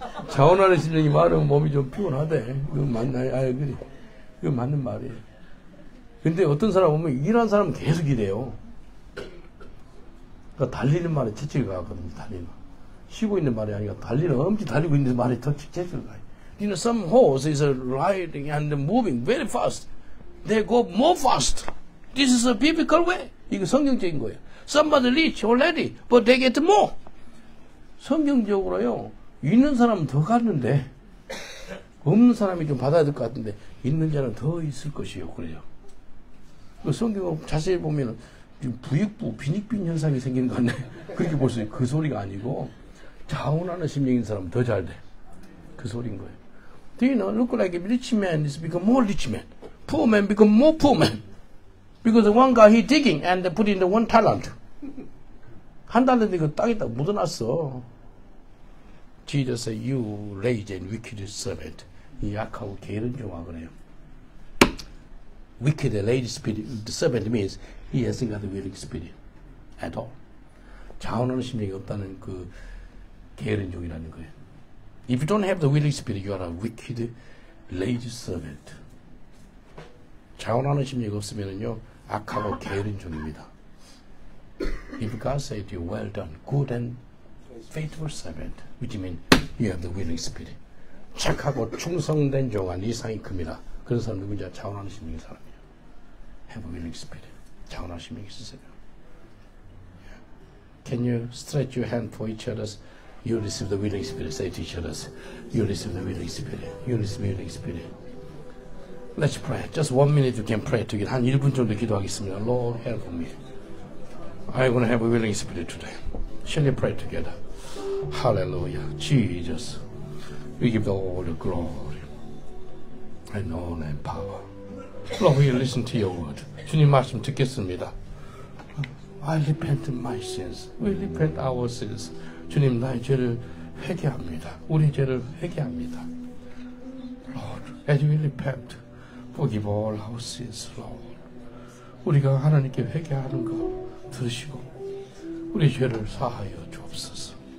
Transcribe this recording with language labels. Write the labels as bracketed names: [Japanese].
[Korean] 자원하는 심령이 말하면 몸이 좀 피곤하대. 그건 맞나요? 아, 그래. 그건 맞는 말이에요. 근데 어떤 사람 보면 일하는 사람은 계속 일해요. 그러니까 달리는 말에 지칠 것 같거든요, 달리는. 쉬고 있는 말이 아니라 달리는, 엄청 달리고 있는 말에 더 지칠 것 같아요. [English] You know, some horse is riding and moving very fast. They go more fast. This is a biblical way. [Korean] 이거 성경적인 거예요. [English] Somebody rich already, but they get more. [Korean] 성경적으로요. 있는 사람은 더 갔는데 없는 사람이 좀 받아야 될 것 같은데 있는 자는 더 있을 것이요. 그래요. 그 성경을 자세히 보면 부익부, 빈익빈 현상이 생기는 것 같네. 그렇게 볼 수 있어요. 그 소리가 아니고 자원하는 심령인 사람은 더 잘 돼. 그 소리인 거예요. [English] Do you know, look like a rich man is become more rich man. Poor man become more poor man. Because one guy he digging and put in the one talent. [Korean] 한 달인데 그 땅에다 묻어놨어. [English] Jesus said, you lazy and wicked servant. [Korean] 이 약하고 게으른 종아 그래요. [English] Wicked and lazy spirit, the servant means he hasn't got the willing spirit at all. [Korean] 자원하는 심령이 없다는 그 게으른 종이라는 거예요. [English] If you don't have the willing spirit, you are a wicked, lazy servant. [Korean] 자원하는 심령이 없으면요, 악하고 게으른 종입니다. [English] If God said you, well done, good and faithful servant, which means you have the willing spirit. [Korean] 착하고 충성된 종은 이상이 큽니다. 그런 사람 누구냐? 자원하는 심령인 사람이에요. [English] Have a willing spirit. [Korean] 자원하는 심령이 있으세요. [English] Can you stretch your hand for each other? You receive the willing spirit. Say to each other, you receive the willing spirit. You receive the willing spirit. Let's pray. Just 1 minute you can pray together. [Korean] 한 1분 정도 기도하겠습니다. [English] Lord, help me. I want to have a willing spirit today. Shall we pray together? Hallelujah. Jesus, we give all the glory and all the power. Lord, we listen to your word. [Korean] 주님 말씀 듣겠습니다. [English] I repent my sins. We repent our sins. [Korean] 주님, 나의 죄를 회개합니다. 우리 죄를 회개합니다. Lord, as we repent, forgive all our sins, Lord. 우리가 하나님께 회개하는 거 들으시고 우리 죄를 사하여 주옵소서.